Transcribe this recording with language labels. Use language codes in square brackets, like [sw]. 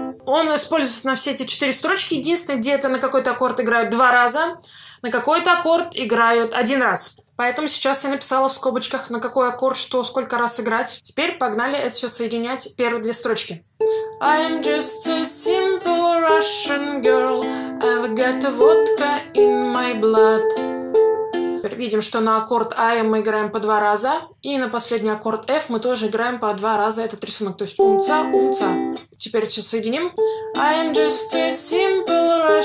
[ru] Он используется на все эти 4 строчки. Единственное, где-то на какой-то аккорд играют 2 раза, на какой-то аккорд играют 1 раз. Поэтому сейчас я написала в скобочках, на какой аккорд что, сколько раз играть. Теперь погнали это все соединять, первые 2 строчки. [en] I'm just a simple Russian girl. I've got vodka in my blood. [ru] Теперь видим, что на аккорд АМ мы играем по 2 раза. И на последний аккорд F мы тоже играем по 2 раза этот рисунок. То есть умца, умца. Теперь все соединим. [en] I'm just a simple